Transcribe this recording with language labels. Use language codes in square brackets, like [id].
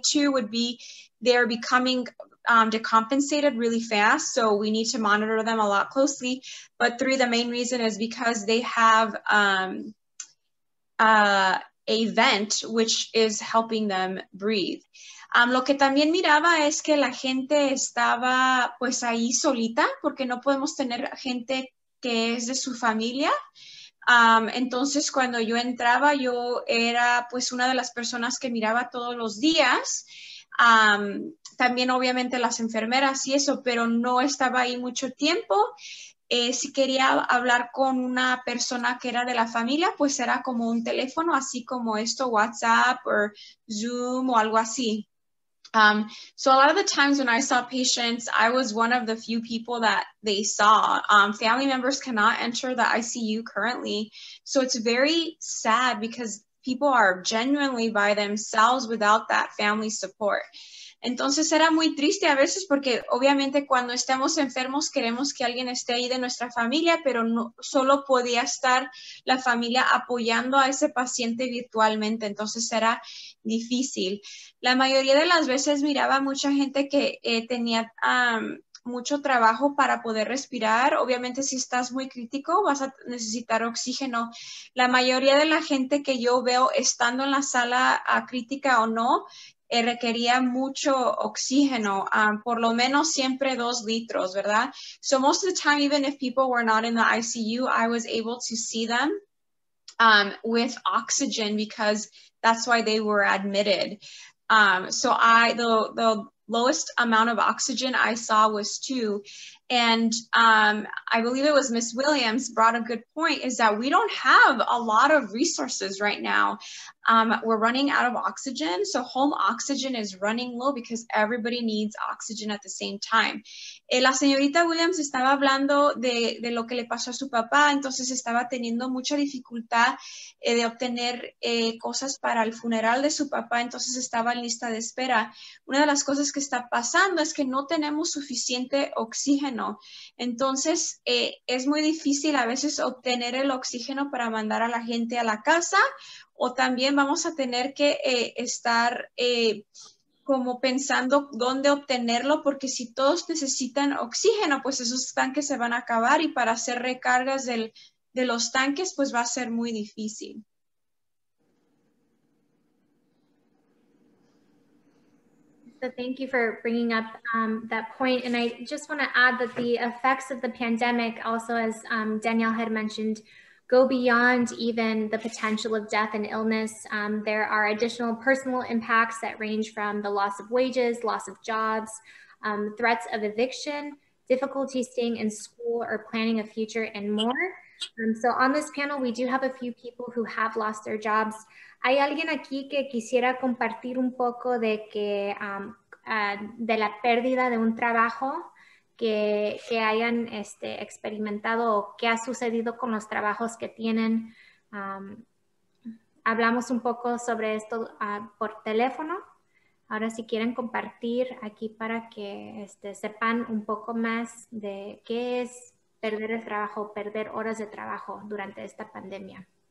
[en] Two would be they're becoming decompensated really fast, so we need to monitor them a lot closely. But three, the main reason is because they have a vent, which is helping them breathe. [es] Lo que también miraba es que la gente estaba pues ahí solita, porque no podemos tener gente que es de su familia. Entonces, cuando yo entraba, yo era pues una de las personas que miraba todos los días. También, obviamente, las enfermeras y eso, pero no estaba ahí mucho tiempo. Si quería hablar con una persona que era de la familia, pues era como un teléfono, así como esto, WhatsApp o Zoom o algo así. [en] So a lot of the times when I saw patients, I was one of the few people that they saw. Family members cannot enter the ICU currently. So it's very sad because people are genuinely by themselves without that family support. [es] Entonces era muy triste a veces porque obviamente cuando estamos enfermos queremos que alguien esté ahí de nuestra familia, pero no solo podía estar la familia apoyando a ese paciente virtualmente, entonces era difícil. La mayoría de las veces miraba mucha gente que tenía mucho trabajo para poder respirar. Obviamente si estás muy crítico vas a necesitar oxígeno. La mayoría de la gente que yo veo estando en la sala crítica o no, requería mucho oxígeno, por lo menos siempre 2 liters, ¿verdad? [en] So most of the time, even if people were not in the ICU, I was able to see them with oxygen because that's why they were admitted. So the lowest amount of oxygen I saw was 2. And I believe it was Ms. Williams brought a good point, is that we don't have a lot of resources right now. We're running out of oxygen. So home oxygen is running low because everybody needs oxygen at the same time. [es] La señorita Williams estaba hablando de lo que le pasó a su papá. Entonces estaba teniendo mucha dificultad de obtener cosas para el funeral de su papá. Entonces estaba en lista de espera. Una de las cosas que está pasando es que no tenemos suficiente oxígeno. Entonces, es muy difícil a veces obtener el oxígeno para mandar a la gente a la casa, o también vamos a tener que estar como pensando dónde obtenerlo, porque si todos necesitan oxígeno, pues esos tanques se van a acabar, y para hacer recargas de los tanques, pues va a ser muy difícil. [en] So thank you for bringing up that point. And I just want to add that the effects of the pandemic also, as Danielle had mentioned, go beyond even the potential of death and illness. There are additional personal impacts that range from the loss of wages, loss of jobs, threats of eviction, difficulty staying in school or planning a future, and more. So on this panel, we do have a few people who have lost their jobs. [es] ¿Hay alguien aquí que quisiera compartir un poco de que de la pérdida de un trabajo que hayan experimentado o qué ha sucedido con los trabajos que tienen? Hablamos un poco sobre esto por teléfono. Ahora, si quieren compartir aquí para que sepan un poco más de qué es perder el trabajo, perder horas de trabajo durante esta pandemia.